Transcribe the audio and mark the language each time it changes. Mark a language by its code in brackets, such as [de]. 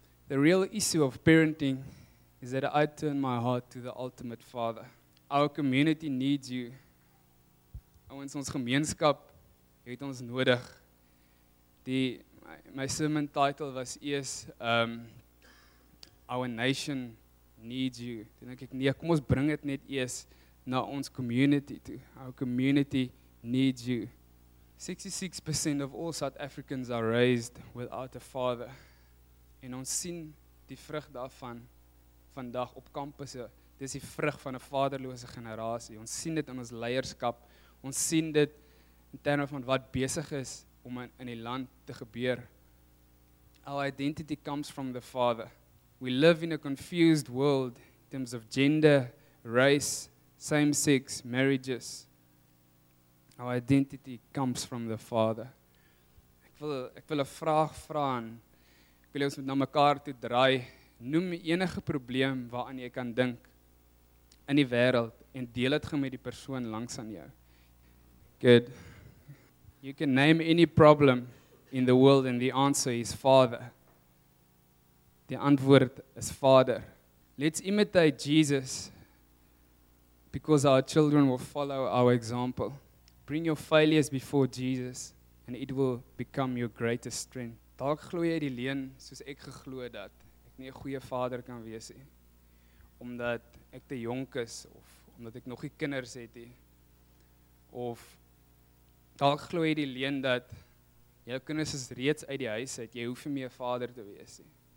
[en] The real issue of parenting is that I turn my heart to the ultimate father. Our community needs you. [af] Ouens, ons gemeenskap het ons nodig. Die my [en] sermon title [af] was eers [en] Our nation needs you. [af] Dan ek nee, kom ons bring dit net eers na ons community toe. [en] Our community needs you. 66% of all South Africans are raised without a father. [af] En ons sien die vrug daarvan vandag op kampusse. Dis die vrug van 'n vaderlose generasie. Ons sien dit in ons leierskap. Ons sien dit in terme van wat besig is om in die land te gebeur. [en] Our identity comes from the father. We live in a confused world in terms of gender, race, same-sex marriages. Our identity comes from the Father. [af] Ek wil 'n vraag vra aan. Ek wil ons met na mekaar toe draai. Noem enige probleem waaraan jy kan dink in die wêreld en deel dit gemeet die persoon langs aan jou. [en] Good. You can name any problem in the world and the answer is Father. [af] Die antwoord is Vader. [en] Let's imitate Jesus. because our children will follow our example. Bring your failures before Jesus and it will become your greatest strength. [af] Dalk glo jy die leuen soos ek geglo dat ek nie 'n goeie vader kan wees nie. Omdat ek te jonk is of omdat ek nog nie kinders het nie. Of dalk glo jy die leuen dat jou kinders is reeds uit die huis uit, jy hoef nie meer 'n vader te wees nie.